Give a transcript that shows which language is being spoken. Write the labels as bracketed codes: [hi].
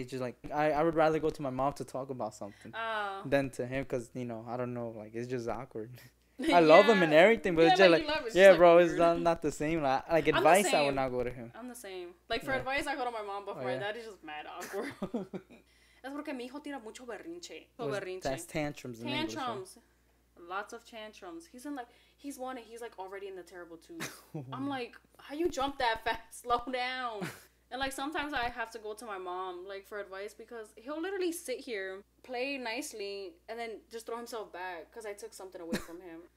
[en] It's just, like, I would rather go to my mom to talk about something than to him because, you know, I don't know. Like, it's just awkward. I love him and everything, but it's just like, bro, it's not the same. Like advice, same. I would not go to him. I'm the same. Like, for advice, I go to my mom, but for my dad, it's just mad awkward. [es] Es porque mi hijo tira mucho berrinche. [en] That's tantrums. Tantrums. English, right? Lots of tantrums. He's in, like, he's one, and he's, like, already in the terrible twos. I'm like, how you jump that fast? Slow down. And, like, sometimes I have to go to my mom, like, for advice because he'll literally sit here, play nicely, and then just throw himself back because I took something away from him.